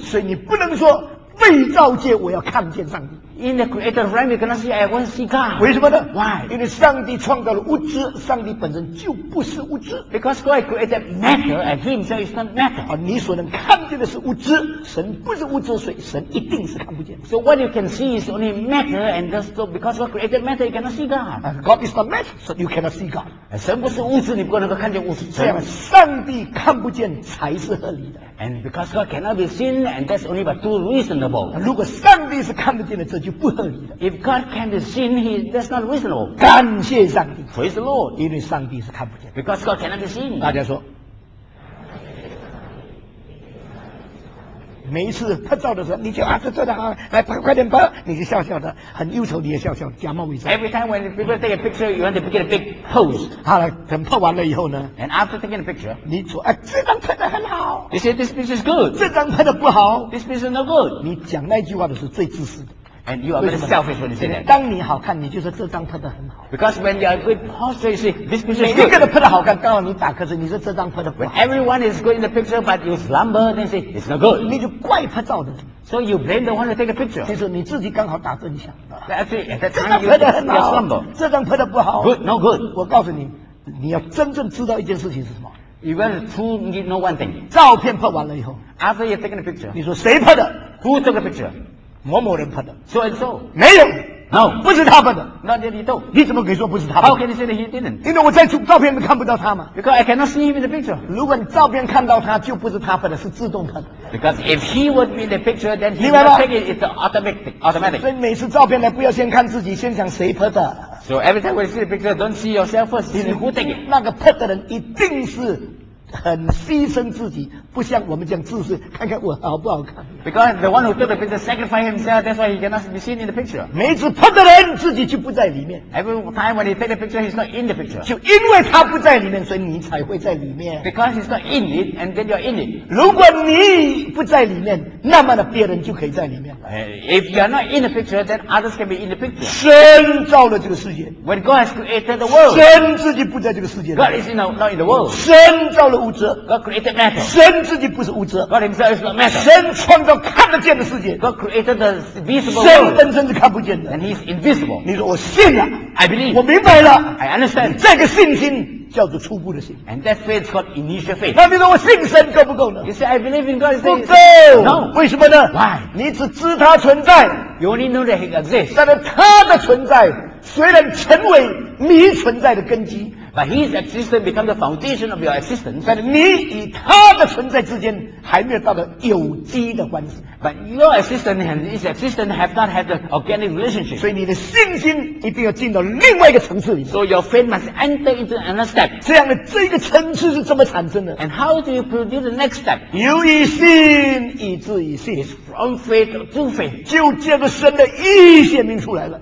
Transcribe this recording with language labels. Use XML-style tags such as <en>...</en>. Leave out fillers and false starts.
<zh>所以你不能说被造界我要看见上帝。</zh> <en>In the creator realm, you cannot see, I want to see God.</en> <zh>为什么呢</zh> <en>？Why？</en> <zh>因为上帝创造了物质，上帝本身就不是物质。</zh> <en>Because God created matter, and He Himself is not matter.</en> <zh>而你所能看见的是物质，神不是物质，所以神一定是看不见。</zh> <en>So what you can see is only matter, and that's so because God created matter, you cannot see God. God is not matter, so you cannot see God.</en> <zh>神不是物质，你不能够看见物质。这样，上帝看不见才是合理的。</zh> <en>And because God cannot be seen, and that's only but too reasonable.</en> <zh>如果上帝是看不见的，这就不合理的。</zh> <en>If God can't be seen, that's not reasonable.</en> <zh>感谢上帝。</zh> <en>Praise the Lord.</en> <zh>因为上帝是看不见。</zh> <en>Because God cannot be seen.</en> <zh>大家说，每一次他照的时候，你就啊，这照的好，来拍，快点拍，你就笑笑的，很忧愁，你也笑笑，假冒伪善。</zh> <en>Every time when people take a picture, you want to get a big pose.</en> <zh>好了，等拍完了以后呢</zh> <en>？And after taking a picture,</en> <zh>你说，哎，这张拍得很好。</zh> <en>You say this picture is good.</en> <zh>这张拍得不好。</zh> <en>This picture is no good.</en> <zh>你讲那句话的是最自私的。</zh> <en>And you are very selfish when you say that.</en> <zh>当你好看，你就说这张拍得很好。</zh> <en>Because when you are good posture, you say this picture is good.</en> <zh>每一个人拍得好看，刚好你打瞌睡，你说这张拍得不好。</zh> <en>When everyone is good in the picture, but you slumber, then you say it's not good.</en> <zh>你就怪拍照的。</zh> <en>So you blame the one who take a picture.</en> <zh>就是你自己刚好打针一下。</zh> <en>Actually, at that time, you slumber.</en> <zh>这张拍得不好。</zh> <en>Good, no good.</en> <zh>我告诉你。你要真正知道一件事情是什么？</zh> <en>You want to know one thing.</en> <zh>照片拍完了以后，</zh> <en>after you taken the picture，</en> <zh>你说谁拍的？</zh> <en>Who took the picture？</en> <zh>某某人拍的。</zh> <en>So and so，</en> <zh>没有。</zh> <en>No，</en> <zh>不是他拍的。</zh> <en>Not that he do。</en> <zh>你怎么可以说不是他拍的？</zh> <en>How can you say that he didn't？</en> <zh>因为我在照片里面看不到他嘛。</zh> <en>Because I cannot see him in the picture。</en> <zh>如果你照片看到他，就不是他拍的，是自动拍的。</zh> <en>Because if he would be in the picture, then he would take it. It's automatic.</en> <zh>所以每次照片来，不要先看自己，先想谁拍的。</zh> <en>So every time we see the picture, don't see yourself first. See who take it.</en> <zh>那个拍的人一定是很牺牲自己，不像我们讲自私，看看我好不好看。</zh> <en>Because the one who took the picture sacrificed himself, that's why he cannot be seen in the picture.</en> <zh>每次拍的人自己就不在里面。</zh> <en>Every time when he take the picture, he's not in the picture.</en> <zh>就因为他不在里面，所以你才会在里面。</zh> <en>Because he's not in it, and then you're in it.</en> <zh>如果你不在里面，那么的别人就可以在里面。</zh> <en>If you're not in the picture, then others can be in the picture.</en> <zh>神造了这个世界。</zh> <en>When God has created the world,</en> <zh>神自己不在这个世界。</zh> <en>God is not in the world.</en> <zh>神造了物质。</zh> <en>God created matter.</en> <zh>神自己不是物质。</zh> <en>God himself is not matter.</en> <zh>神创造看得见的世界。</zh> <en>God created the visible.</en> <zh>神本身是看不见的。</zh> <en>And he's invisible.</en> <zh>你说我信了。</zh> <en>I believe.</en> <zh>我明白了。</zh> <en>I understand.</en> <zh>这个信心叫做初步的信。</zh> <en>And that faith is called initial faith.</en> <zh>那你说我信神够不够呢？</zh> <en>You say I believe in God.</en> <zh>不够。</zh> <en>No.</en> <zh>为什么呢？</zh> <en>Why?</en> <zh>你只知他存在。</zh> <en>You only know that he exists.</en> <zh>但是他的存在虽然成为你存在的根基。</zh> <en>But his existence becomes the foundation of your existence.</en> <zh>但是你与他的存在之间还没有到了有机的关系。</zh> <en>But your existence and his existence have not had the organic relationship.</en> <zh>所以你的信心一定要进到另外一个层次里面。</zh> <en>So your faith must enter into another step.</en> <zh>这样的这个层次是怎么产生的？</zh> <en>And how do you produce the next step?</en> <zh>由于信，以至于信。</zh> <en>It's from faith to faith.</en> <zh>就借着神的义显明出来了。</zh>